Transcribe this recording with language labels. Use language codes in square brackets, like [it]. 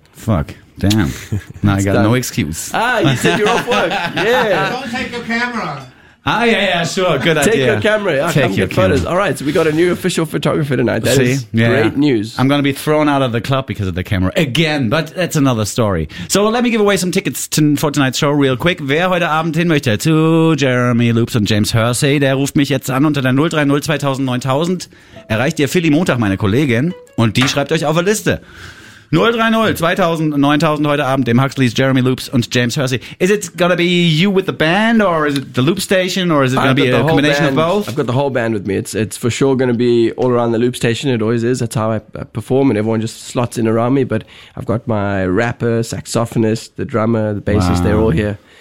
[en] Fuck. Damn. Now I got no excuse. Ah, you said you're off work. Yeah. Don't take your camera. Ah, yeah, sure. Good take idea. Take your camera. Yeah, take your photos. Camera. All right, so we got a new official photographer tonight. That is great news. I'm going to be thrown out of the club because of the camera again, but that's another story. So let me give away some tickets for tonight's show real quick. [de] Wer heute Abend hin möchte zu Jeremy Loops und James Hersey, der ruft mich jetzt an unter der 030-2000-9000. Erreicht ihr Philly Montag, meine Kollegin, und die schreibt euch auf eine Liste. 030 2000 9000 heute Abend, dem Huxley's, Jeremy Loops und James Hersey. [en] Is it going to be you with the band, or is it the Loop Station, or is it going to be a combination band of both? I've got the whole band with me. It's for sure going to be all around the Loop Station. It always is. That's how I perform, and everyone just slots in around me. But I've got my rapper, saxophonist, the drummer, the bassist. Wow. They're all here.